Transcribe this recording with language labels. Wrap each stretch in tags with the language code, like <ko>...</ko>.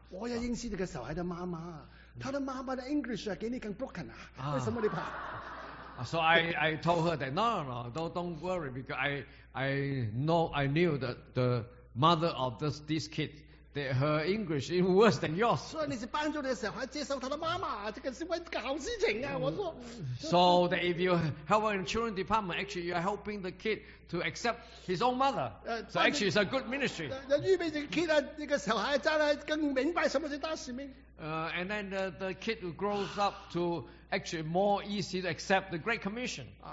<zh>我要认识这个小孩的妈妈，她的妈妈的 English 比你更 broken 啊，为什么你怕？</zh> <en>So I told her that no, don't worry, because I knew that the mother of this kid, that her English is worse than yours.</en> <zh>所以你是帮助你的小孩接受他的妈妈，这个是个好事情啊！我说。</zh> <en>So that if you help in children department, actually you are helping the kid to accept his own mother. So actually it's a good ministry.</en> <zh>预备这个kid，这个小孩将来更明白什么是大使命。</zh> <en>And then the kid who grows up to actually more easy to accept the Great Commission.</en>